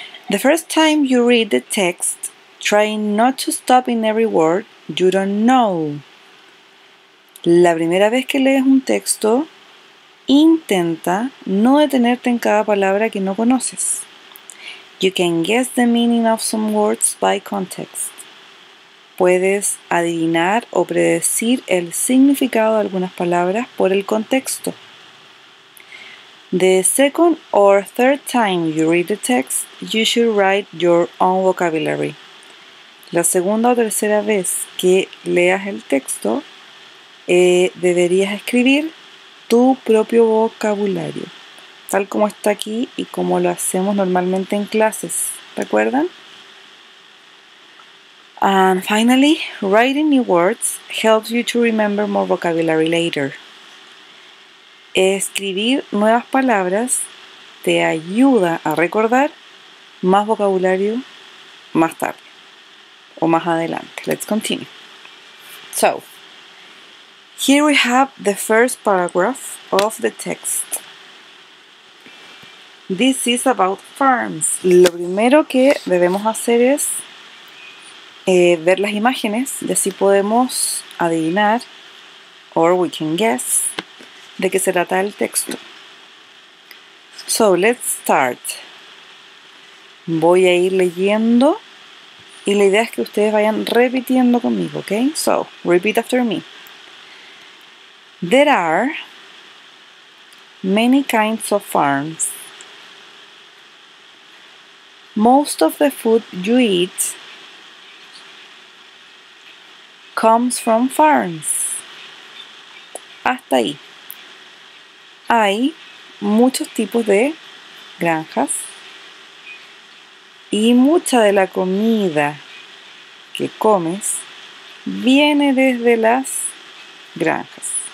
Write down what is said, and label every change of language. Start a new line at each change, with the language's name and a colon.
English: The first time you read the text, try not to stop in every word you don't know.
Spanish: La primera vez que lees un texto, intenta no detenerte en cada palabra que no conoces.
English: You can guess the meaning of some words by context.
Spanish: Puedes adivinar o predecir el significado de algunas palabras por el contexto.
English: The second or third time you read the text, you should write your own vocabulary.
Spanish: La segunda o tercera vez que leas el texto, deberías escribir tu propio vocabulario, tal como está aquí y como lo hacemos normalmente en clases, ¿recuerdan?
English: And finally, writing new words helps you to remember more vocabulary later.
Spanish: Escribir nuevas palabras te ayuda a recordar más vocabulario más tarde o más adelante.
English: Let's continue. So, here we have the first paragraph of the text. This is about farms.
Spanish: Lo primero que debemos hacer es ver las imágenes, y así podemos adivinar,
English: or we can guess,
Spanish: de qué se trata el texto.
English: So, let's start.
Spanish: Voy a ir leyendo y la idea es que ustedes vayan repitiendo conmigo, ¿ok?
English: So, repeat after me. There are many kinds of farms. Most of the food you eat comes from farms.
Spanish: Hasta ahí. Hay muchos tipos de granjas y mucha de la comida que comes viene desde las granjas.